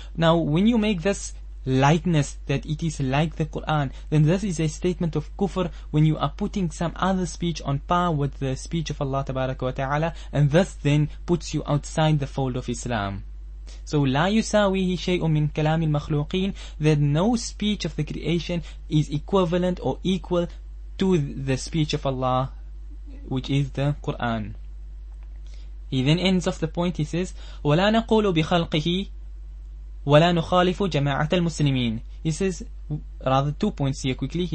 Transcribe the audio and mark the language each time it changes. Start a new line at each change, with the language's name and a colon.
English: Now when you make this likeness, that it is like the Quran, then this is a statement of kufr, when you are putting some other speech on par with the speech of Allah tabaraka wa ta'ala, and this then puts you outside the fold of Islam. So
Arabic: لا يساويه شيء من كلام المخلوقين,
English: that no speech of the creation is equivalent or equal to the speech of Allah, which is the Quran. He then ends off the point. He says,
Arabic: ولا نقول بخلقه ولا نخالف جماعة المسلمين.
English: He says, rather two points here quickly.